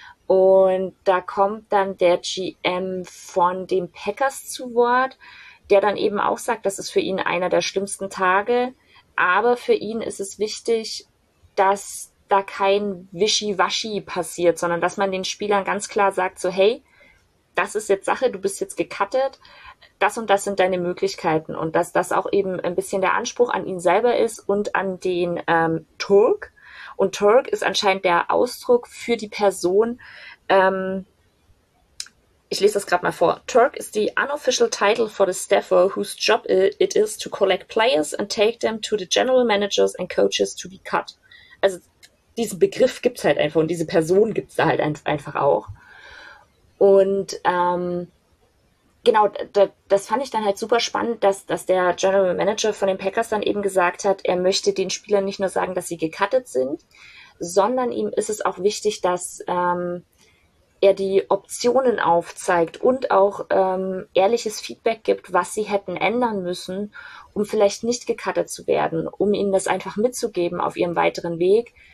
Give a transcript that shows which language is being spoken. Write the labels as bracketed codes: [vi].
[de] Und da kommt dann der GM von den Packers zu Wort, der dann eben auch sagt, das ist für ihn einer der schlimmsten Tage, aber für ihn ist es wichtig, dass da kein Wischiwaschi passiert, sondern dass man den Spielern ganz klar sagt, so hey, das ist jetzt Sache, du bist jetzt gecuttet. Das und das sind deine Möglichkeiten und dass das auch eben ein bisschen der Anspruch an ihn selber ist und an den Turk. Und Turk ist anscheinend der Ausdruck für die Person. Ich lese das gerade mal vor. [en] Turk is the unofficial title for the staffer whose job it is to collect players and take them to the general managers and coaches to be cut. [de] Also diesen Begriff gibt es halt einfach und diese Person gibt es da halt einfach auch. Und genau, das fand ich dann halt super spannend, dass der General Manager von den Packers dann eben gesagt hat, er möchte den Spielern nicht nur sagen, dass sie gecuttet sind, sondern ihm ist es auch wichtig, dass er die Optionen aufzeigt und auch ehrliches Feedback gibt, was sie hätten ändern müssen, um vielleicht nicht gecuttet zu werden, um ihnen das einfach mitzugeben auf ihrem weiteren Weg.